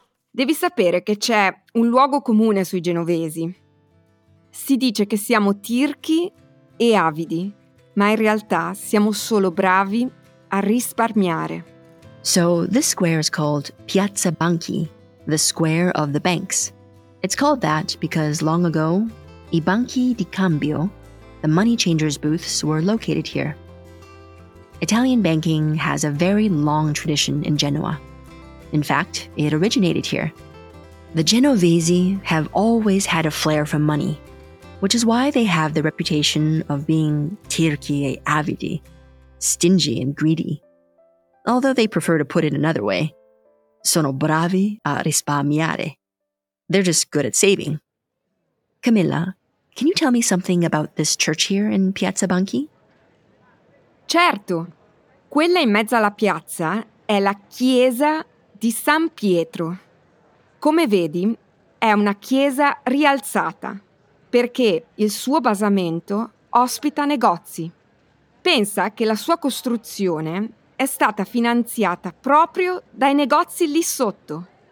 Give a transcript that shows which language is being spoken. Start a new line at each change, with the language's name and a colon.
Italian: Devi sapere che c'è un luogo comune sui genovesi. Si dice che siamo tirchi e avidi, ma in realtà siamo solo bravi a risparmiare.
English: So, this square is called Piazza Banchi, the square of the banks. It's called that because long ago,
Italian: I banchi di cambio,
English: the money changers' booths, were located here. Italian banking has a very long tradition in Genoa. In fact, it originated here. The Genovesi have always had a flair for money, which is why they have the reputation of being
Italian: tirchi e avidi,
English: stingy and greedy. Although they prefer to put it another way,
Italian: sono bravi a risparmiare.
English: They're just good at saving. Camilla, can you tell me something about this church here in Piazza Banchi?
Italian: Certo. Quella in mezzo alla piazza è la chiesa di San Pietro. Come vedi, è una chiesa rialzata perché il suo basamento ospita negozi. Pensa che la sua costruzione è stata finanziata proprio dai negozi lì sotto.